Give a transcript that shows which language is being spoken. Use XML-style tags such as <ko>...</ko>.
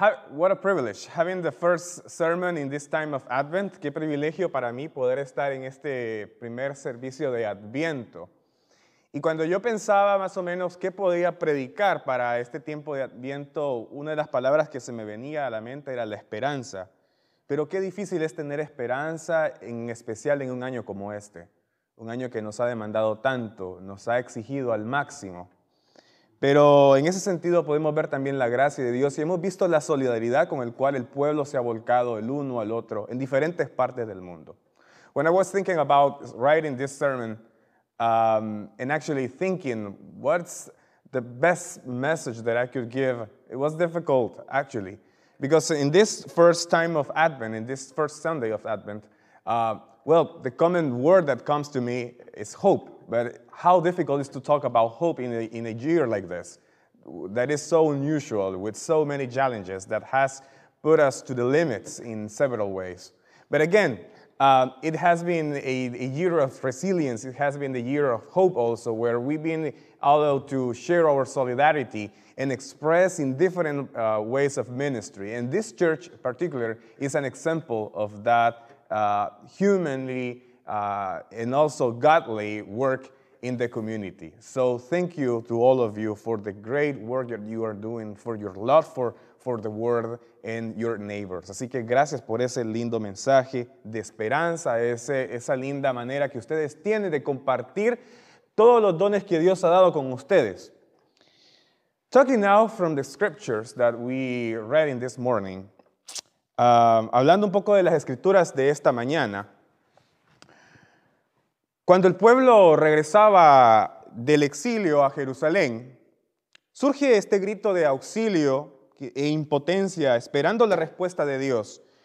<en>What a privilege, having the first sermon in this time of Advent.</en> <es>Qué privilegio para mí poder estar en este primer servicio de Adviento. Y cuando yo pensaba más o menos qué podía predicar para este tiempo de Adviento, una de las palabras que se me venía a la mente era la esperanza. Pero qué difícil es tener esperanza, en especial en un año como este. Un año que nos ha demandado tanto, nos ha exigido al máximo. Pero en ese sentido podemos ver también la gracia de Dios y hemos visto la solidaridad con el cual el pueblo se ha volcado el uno al otro en diferentes partes del mundo.</es> <en>When I was thinking about writing this sermon and actually thinking what's the best message that I could give, it was difficult actually. Because in this first time of Advent, in this first Sunday of Advent, the common word that comes to me is hope. But how difficult is to talk about hope in a year like this, that is so unusual, with so many challenges, that has put us to the limits in several ways. But again, it has been a year of resilience. It has been the year of hope also, where we've been allowed to share our solidarity and express in different ways of ministry. And this church in particular is an example of that humanly and also godly work in the community. So thank you to all of you for the great work that you are doing, for your love for the world and your neighbors.</en> <es>Así que gracias por ese lindo mensaje de esperanza, esa linda manera que ustedes tienen de compartir todos los dones que Dios ha dado con ustedes.</es> <en>Talking now from the scriptures that we read in this morning,</en> <es>hablando un poco de las escrituras de esta mañana, cuando el pueblo regresaba del exilio a Jerusalén, surge este grito de auxilio e impotencia esperando la respuesta de Dios.</es>